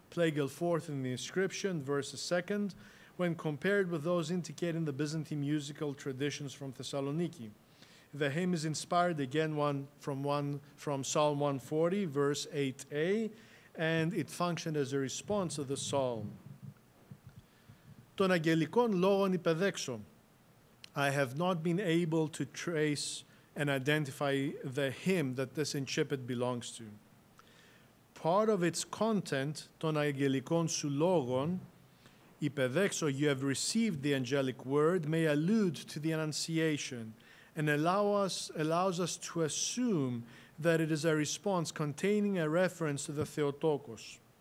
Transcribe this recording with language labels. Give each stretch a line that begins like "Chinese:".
English: Plagal fourth in the inscription, verse second, when compared with those indicating the Byzantine musical traditions from Thessaloniki. The hymn is inspired again from Psalm 140, verse 8a, and it functioned as a response of the psalm.
Greek: Τον αγγελικόν λόγον υπεδέξω.
English: I have not been able to trace and identify the hymn that this incipit belongs to. Part of its content,
Greek: τον αγγελικόν σου λόγον, υπεδέξω,
English: you have received the angelic word, may allude to the Annunciation, and allows us to assume that it is a response containing a reference to the Theotokos.